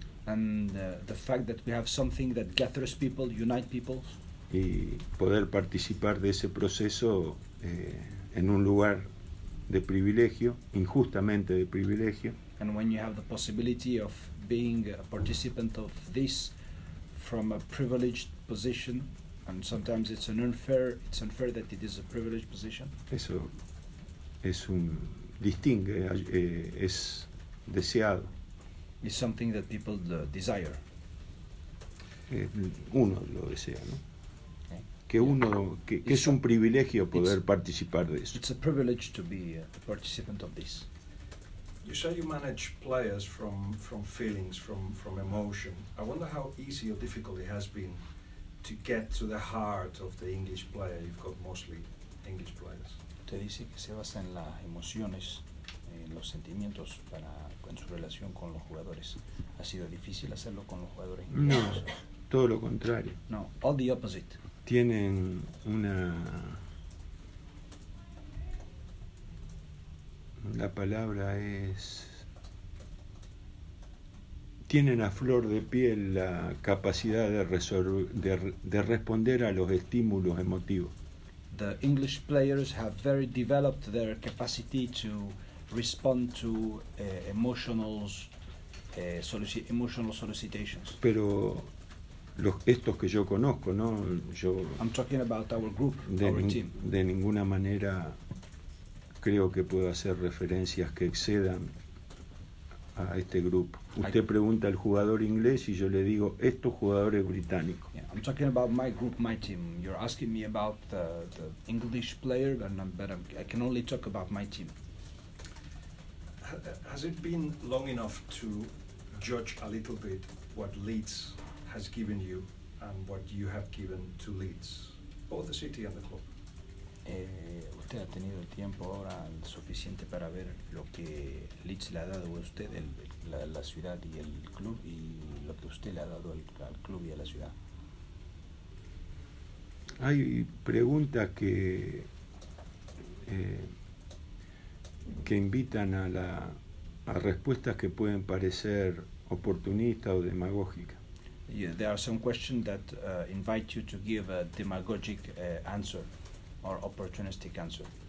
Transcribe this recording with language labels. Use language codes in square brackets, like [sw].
[en] And the fact that we have something that gathers people, unite people. [es] Y poder participar de ese proceso en un lugar de privilegio, injustamente de privilegio. [en] And when you have the possibility of being a participant of this from a privileged position, and sometimes it's unfair that it is a privileged position. [es] Eso es un distingue, es deseado. [en] It's something that people desire. [es] Uno lo desea, ¿no? Que uno, que es un privilegio poder participar de eso. [en] It's a privilege to be a participant of this. You say you manage players from feelings, from emotion. I wonder how easy or difficult it has been to get to the heart of the English player. You've got mostly English players. [es] Te dice que se basa en las emociones, en los sentimientos para en su relación con los jugadores. ¿Ha sido difícil hacerlo con los jugadores ingleses? No, todo lo contrario. [en] No, all the opposite. [es] Tienen una, la palabra es, tienen a flor de piel la capacidad de responder a los estímulos emotivos. [en] The English players have very developed their capacity to respond to emotional solicitations. [es] Pero estos que yo conozco, ¿no? Yo, [en] I'm talking about our group, our team. [es] De ninguna manera creo que puedo hacer referencias que excedan a este grupo. Usted pregunta al jugador inglés y yo le digo, estos jugadores británicos. [en] Yeah, I'm talking about my group, my team. You're asking me about the English player, but I can only talk about my team. Has it been long enough to judge a little bit what Leeds has given you and what you have given to Leeds, both the city and the club? [es] Usted ha tenido el tiempo ahora suficiente para ver lo que Leeds le ha dado a usted, la ciudad y el club, y lo que usted le ha dado al club y a la ciudad. Hay preguntas que que invitan a respuestas que pueden parecer oportunistas o demagógicas. [en] Yeah, there are some questions that invite you to give a demagogic answer or opportunistic answer.